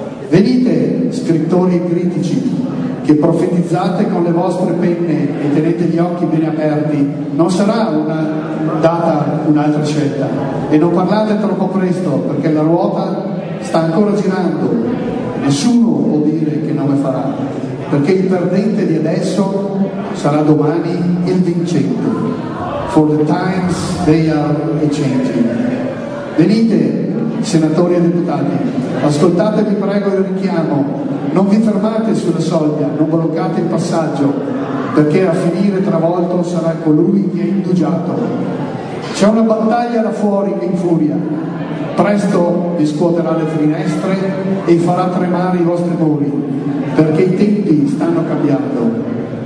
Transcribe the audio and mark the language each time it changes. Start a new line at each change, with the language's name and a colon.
Italian: Venite, scrittori e critici, che profetizzate con le vostre penne e tenete gli occhi bene aperti, non sarà una data un'altra scelta. E non parlate troppo presto, perché la ruota sta ancora girando. Nessuno può dire che nome farà, perché il perdente di adesso sarà domani il vincente.
English: for the times they are changing.
Italian: Venite, senatori e deputati, ascoltatevi, prego, il richiamo. Non vi fermate sulla soglia, non bloccate il passaggio, perché a finire travolto sarà colui che è indugiato. C'è una battaglia là fuori in furia. Presto vi scuoterà le finestre e farà tremare i vostri muri, perché i tempi stanno cambiando.